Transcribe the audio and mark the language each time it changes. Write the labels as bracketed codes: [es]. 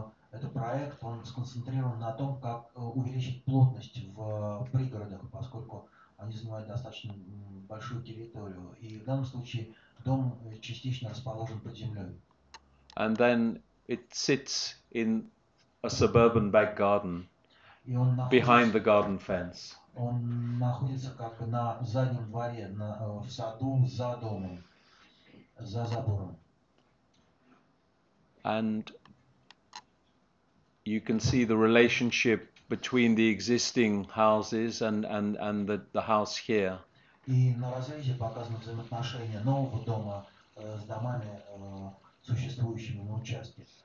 [ru] Этот проект, он сконцентрирован на том, как увеличить плотность в пригородах, поскольку они занимают достаточно большую территорию. И в данном случае дом частично расположен под землей. [en] And then it sits in a suburban back garden, behind the garden fence. [ru] Он находится как бы на заднем дворе, в саду за домом, за забором. [en] And you can see the relationship between the existing houses and the house here. [ru] И на разрезе показано взаимоотношение нового дома с домами, существующими на участке.